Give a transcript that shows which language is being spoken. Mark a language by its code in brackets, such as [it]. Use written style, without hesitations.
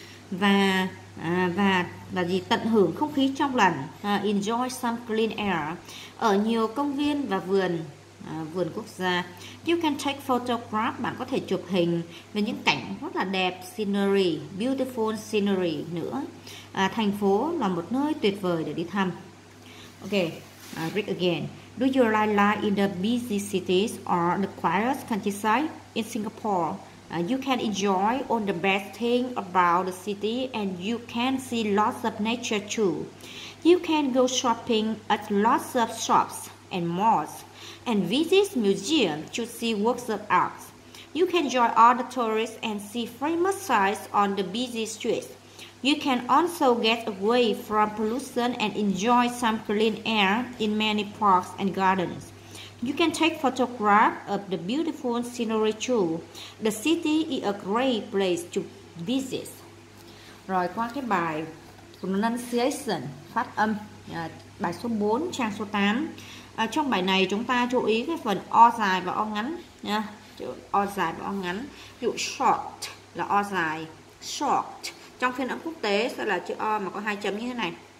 [vi] Và gì, tận hưởng không khí trong lành. [en] Enjoy some clean air. [vi] Ở nhiều công viên và vườn vườn quốc gia. [en] You can take photograph, [vi] bạn có thể chụp hình về những cảnh rất là đẹp, scenery, [en] beautiful scenery [vi] nữa. Thành phố là một nơi tuyệt vời để đi thăm. [en] Ok, read again. Do you like life in the busy cities or the quiet countryside in Singapore? You can enjoy all the best things about the city and you can see lots of nature too. You can go shopping at lots of shops and malls and visit museums to see works of art. You can join all the tourists and see famous sights on the busy streets. You can also get away from pollution and enjoy some clean air in many parks and gardens. You can take photographs of the beautiful scenery too. The city is a great place to visit. [vi] Rồi qua cái bài pronunciation, phát âm, bài số 4, trang số 8. Trong bài này chúng ta chú ý cái phần O dài và O ngắn. O dài và O ngắn. Ví dụ short là O dài. Short trong phiên âm quốc tế sẽ là chữ O mà có hai chấm như thế này.